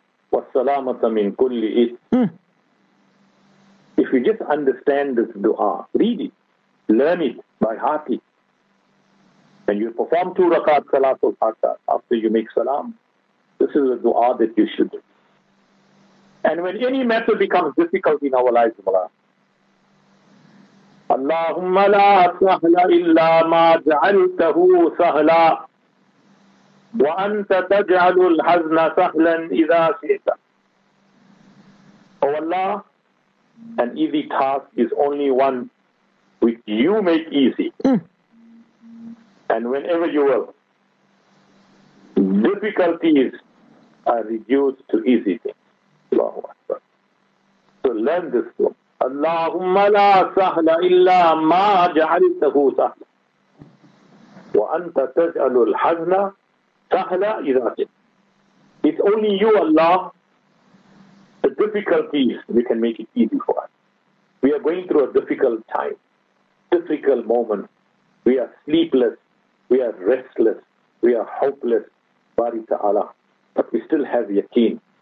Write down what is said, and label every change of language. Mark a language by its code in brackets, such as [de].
[en] Wassalamata min kulli is. If you just understand this dua, read it, learn it by heart. And you perform two rakat salatul hajat after you make salam. This is a dua that you should do. And when any matter becomes difficult in our lives, Allah, [ar] اللهم لا سهل إلا ما جعلته سهلا وأنت تجعل الحزن سهلا إذا شئت. [en] Oh Allah, an easy task is only one which you make easy. And whenever you will, difficulties are reduced to easy things. Allahu Akbar. So learn this book. [ar] اللهم لا سهل إلا ما جعلته سهلا وأنت تجعل الحزن سهلا إذا شئت. [en] It's only you, Allah. The difficulties, we can make it easy for us. We are going through a difficult time, difficult moment. We are sleepless, we are restless, we are hopeless, Bari Ta'ala. But we still have yaqeen.